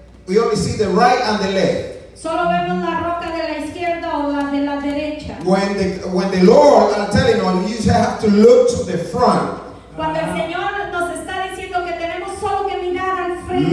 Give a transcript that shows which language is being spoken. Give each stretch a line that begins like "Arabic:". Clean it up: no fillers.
English: We only see the right and the left.
Spanish: Solo vemos la roca de la izquierda o la de la derecha.
English: When the Lord, I'm telling you, you just have to look to the front.
Spanish: Cuando el Señor nos está diciendo que tenemos solo que mirar al frente.